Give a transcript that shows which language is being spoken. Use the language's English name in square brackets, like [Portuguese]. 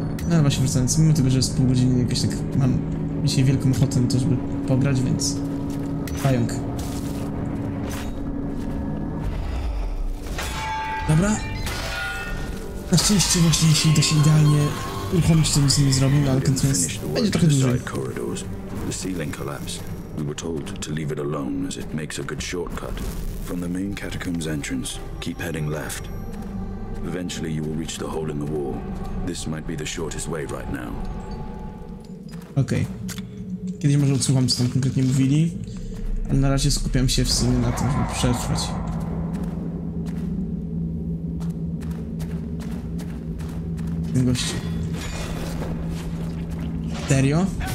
[Polish] No właśnie wracając, mimo tego, że jest pół godziny, jakoś tak mam dzisiaj wielką ochotę na to, żeby pograć, więc... Pająk. Dobra. Na szczęście właśnie, jeśli da się idealnie uruchomić, to nic nie zrobimy, ale kontynuując, będzie trochę dłużej. [English] The ceiling collapsed. We were told to leave it alone as it makes a good shortcut. From the main catacombs entrance, keep heading left. Eventually you will reach the hole in the wall. This might be the shortest way right now. [Polish] Okej. Okay. Kiedyś może odsłucham, co tam konkretnie mówili. Ale na razie skupiam się w sumie na tym, żeby przetrwać. Ten gość. Serio?